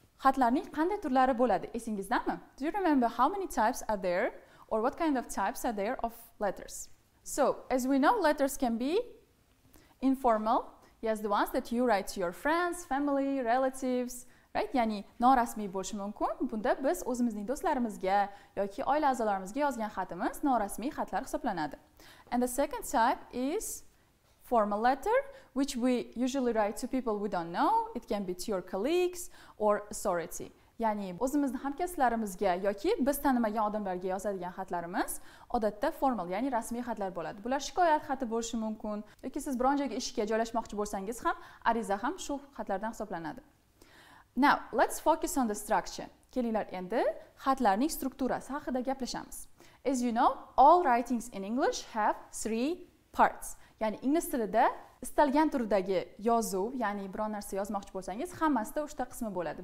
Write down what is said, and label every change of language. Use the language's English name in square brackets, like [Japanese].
[Uzbek] Xatlarning qanday turlari bo'ladi, esingizdami? [English] Do you remember how many types are there or what kind of types are there of letters? So, as we know, letters can be informal. Yes, the ones that you write to your friends, family, relatives, right? [Uzbek] Yani norasmiy bo'lishi mumkin. Bunda biz o'zimizning do'stlarimizga yoki oila a'zolarimizga yozgan xatimiz norasmiy xatlar hisoblanadi. [English] And the second type is formal letter, which we usually write to people we don't know. It can be to your colleagues or authority. [Uzbek] Yani o'zimizning hamkasblarimizga yoki biz tanimagan odamlarga yozadigan xatlarimiz odatda formal, ya'ni rasmiy xatlar bo'ladi. Bular shikoyat xati bo'lishi mumkin, yoki siz biron joyga ishga joylashmoqchi bo'lsangiz ham ariza ham shu xatlardan hisoblanadi. [English] Now, let's focus on the structure. [Uzbek] Kelinglar endi xatlarning strukturasi haqida gaplashamiz. [English] As you know, all writings in English have three parts. [Uzbek] Ya'ni ingliz tilida istalgan turdagi yozuv, ya'ni biror narsa yozmoqchi bo'lsangiz, hammasida uchta qismi bo'ladi.